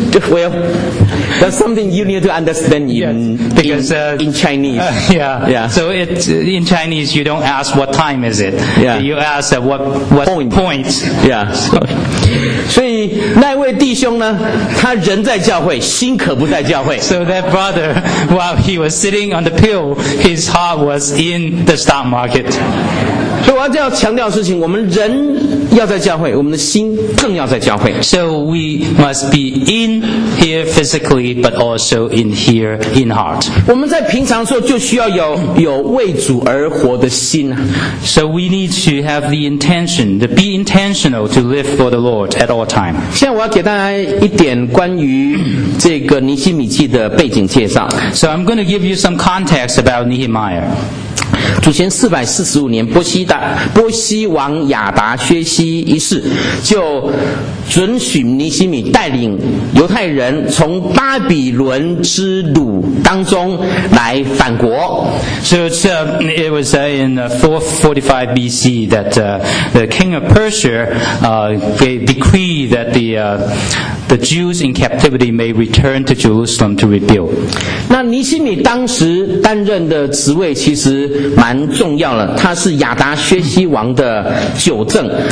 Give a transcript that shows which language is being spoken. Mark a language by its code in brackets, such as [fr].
[en] Well, that's something you need to understand in Chinese. So it's, in Chinese, you don't ask what time is it. Yeah. You ask what point. Yeah. [zh] So, 所以那位弟兄呢，他人在教会，心可不在教会。 [en] So that brother, while he was sitting on the pill, his heart was in the stock market. [zh] 所以我要强调的事情，我们人要在教会，我们的心更要在教会。 [en] So we must be in here physically, but also in here in heart. [zh] 我们在平常做就需要有为主而活的心。 [en] So we need to have the intention, to be intentional to live for the Lord at all time. [zh] 现在我要给大家一点关于这个尼希米记的背景介绍。 [en] So I'm going to give you some context about Nehemiah. [zh] 主前445年波西王亚达薛西一世就准许尼希米带领犹太人从巴比伦之掳当中来返国 [en] So it was in 445 BC that the king of Persia decreed that the Jews in captivity may return to Jerusalem to rebuild [zh] 那尼希米当时担任的职位其实蛮重要了他是亚达薛西王的酒政